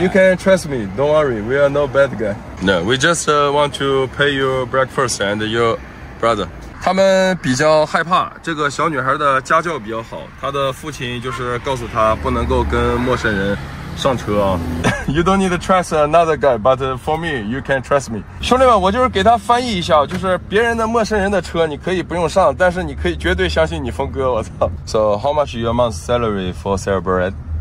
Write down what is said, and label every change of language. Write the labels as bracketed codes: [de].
[en] You can trust me, don't worry, we are no bad guy. No, we just want to pay your breakfast and your brother. [zh] 他们比较害怕，这个小女孩的家教比较好，她的父亲就是告诉她不能够跟陌生人上车啊。 [en] You don't need to trust another guy, but for me, you can trust me. [zh] 兄弟们，我就是给他翻译一下，就是别人的陌生人的车你可以不用上，但是你可以绝对相信你峰哥，我操。 [en] So how much your month's salary for sale bread?